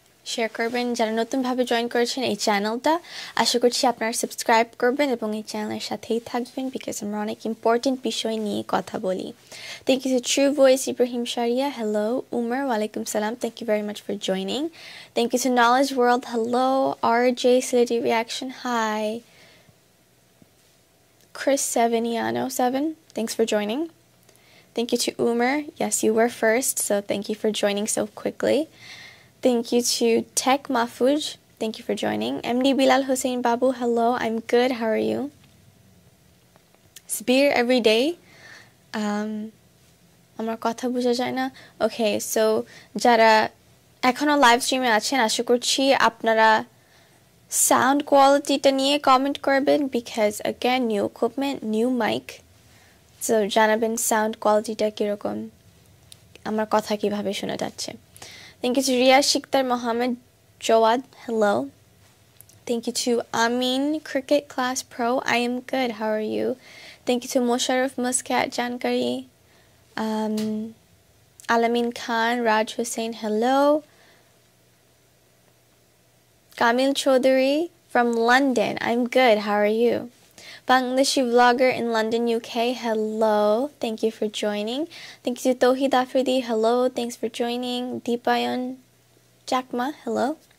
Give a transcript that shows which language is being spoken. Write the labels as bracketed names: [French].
[Bangla] Share করবেন যারা নতুনভাবে জয়েন করেছেন এই চ্যানেলটা। আশা করছি আপনারা সাবস্ক্রাইব করবেন এবং এই চ্যানেলের সাথেই থাকবেন, বিকজ আমরা অনেক ইম্পর্টেন্ট বিষয় নিয়ে কথা বলি। [English] Thank you true voice Ibrahim Sharia, hello Umar, ওয়ালাইকুম সালাম, thank you very much for joining. Thank you knowledge world, hello R J Sylheti reaction, hi Chris Seveniano 7, thanks for joining. Thank you to Umar, yes, you were first, so thank you for joining so quickly. Thank you to Tech Mahfuz, thank you for joining. MD Bilal Hussein Babu, hello, I'm good, how are you? Spear every day. [Bangla] Amar kotha bujha jay na. Okay, so jara ekhono live stream e achen asha korchi apnara sound কোয়ালিটিটা নিয়ে comment করবেন, [English] because again new equipment, new mic, so [Bangla] জানাবেন sound কোয়ালিটিটা কীরকম, আমার কথা কীভাবে শোনা যাচ্ছে। [English] Thank you to Riya Sikdar Mohammad Jawad, hello. Thank you to Amin cricket class pro, I am good, how are you. Thank you to Mosharraf Muskat Jankari, Alamin Khan, Raj Hussain, hello. Kamil Chaudhary from London, I'm good, how are you? Bangladeshi vlogger in London, UK, hello, thank you for joining. Thank you to Tohid Afridi, hello, thanks for joining. Deepayan Chakma, hello.